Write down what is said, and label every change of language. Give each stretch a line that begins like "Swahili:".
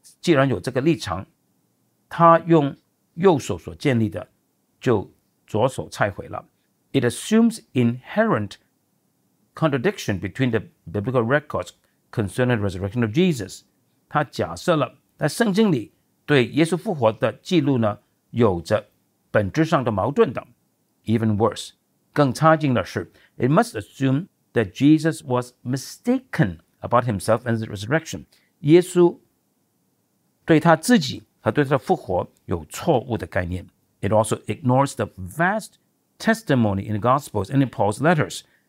Chinese: 既然有这个立场，他用右手所建立的就左手拆毁了。
English: It assumes inherent contradiction between the biblical records concerning the resurrection of Jesus.
Chinese: 他假设了在圣经里对耶稣复活的记录呢有着本质上的矛盾的。
English: Even worse,
Chinese: 更差劲的是，
English: It must assume that Jesus was mistaken about himself and the resurrection.
Chinese: 耶稣对他自己和对他的复活有错误的概念。
English: It also ignores the vast testimony in the Gospels and in Paul's letters.